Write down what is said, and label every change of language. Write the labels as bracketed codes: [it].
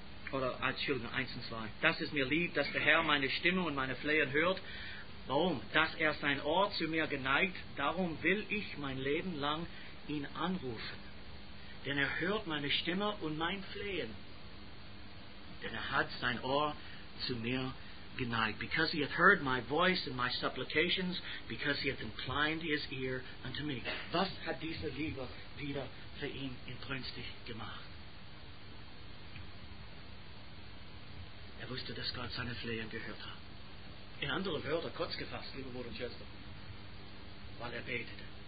[de] Oder, Entschuldigung, 1 und 2. Das ist mir lieb, dass der Herr meine Stimme und meine Flehen hört. Warum? Dass er sein Ohr zu mir geneigt. Darum will ich mein Leben lang ihn anrufen. Denn er hört meine Stimme und mein Flehen. Denn er hat sein Ohr zu mir geneigt. [en] Because he hath heard my voice and my supplications, because he hath inclined his ear unto me. [de] Was hat diese Liebe wieder für ihn inbrünstig gemacht? Er wusste, dass Gott seine Flehen gehört hat. In anderen Wörtern, kurz gefasst, liebe Bruder und Schwester, weil er betete.